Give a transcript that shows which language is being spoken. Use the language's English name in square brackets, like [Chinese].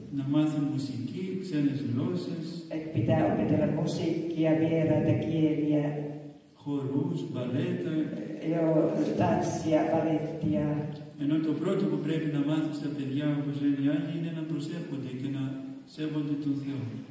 [Greek] Να μάθουν μουσική, ξένες γλώσσες. [Finnish] Et pitää opetella musiikkia, vieraita kieliä. [Greek] Χορούς, μπαλέτα. [Finnish] Joo, τάνσια, μπαλέτια. [Greek] Ενώ το πρώτο που πρέπει να μάθουν στα παιδιά, όπως λένε οι άλλοι, είναι να προσεύχονται και να σέβονται τον Θεό.